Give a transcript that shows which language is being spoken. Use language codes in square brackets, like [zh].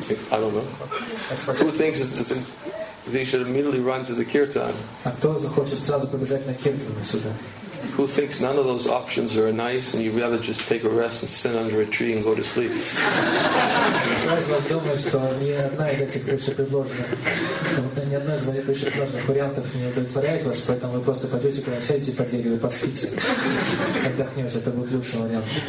[en] I don't know. Who thinks they should immediately run to the kirtan? [ru] А кто захочет сразу побежать на киртан сюда? [en] Who thinks none of those options are nice and you'd rather just take a rest and sit under a tree and go to sleep? [ru] Кто из вас думает, что ни одна из этих предложенных вариантов не удовлетворяет вас, поэтому вы просто пойдете куда сядете по дереву и поспите. Отдохнете, это будет лучший вариант.